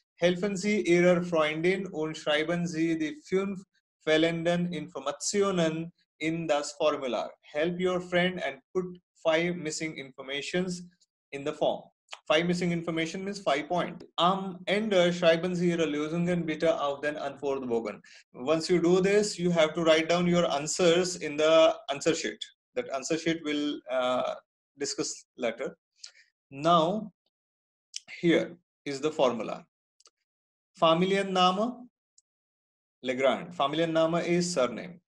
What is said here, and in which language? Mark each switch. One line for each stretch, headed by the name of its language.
German: Helfen Sie Ihrer Freundin und schreiben Sie die 5 fehlenden Informationen in das Formular.
English: Help your friend and put 5 missing informations in the form. 5 missing information means 5 points.
German: Am Ende schreiben Sie Ihre Lösungen bitte auf den Antwortbogen.
English: Once you do this, you have to write down your answers in the answer sheet. That answer sheet will discuss later. Now, here is the formula. Familienname, Legrand. Familienname is surname.